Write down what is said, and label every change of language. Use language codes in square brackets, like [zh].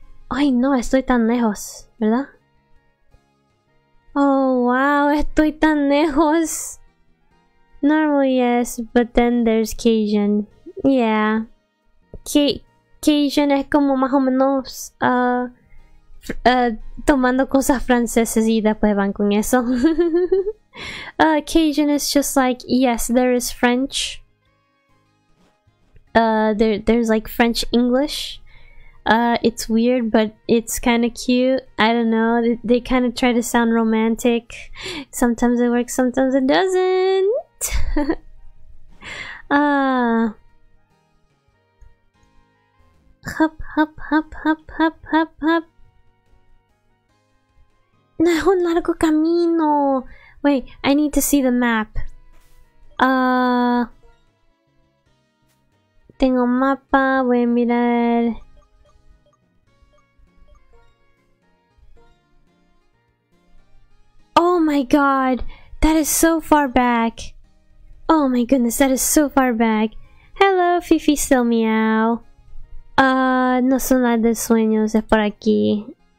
[es] Ay no, estoy tan lejos, ¿verdad? Oh wow, estoy tan lejos. [en] Normally yes, but then there's Cajun. Yeah. [es] Cajun es como más o menos tomando cosas francesas y después van con eso. [en] Cajun is just like, yes, there is French. There's like French English. It's weird, but it's kind of cute. I don't know. They kind of try to sound romantic. Sometimes it works, sometimes it doesn't. Hop, hop, hop, hop, hop, hop, hop. [es] No, es un largo camino. [en] Wait, I need to see the map. [es] Tengo mapa, voy a mirar. [en] Oh my god, that is so far back. Oh my goodness, that is so far back. Hello, Fifi, still meow. [es] No son las de sueños, es por aquí.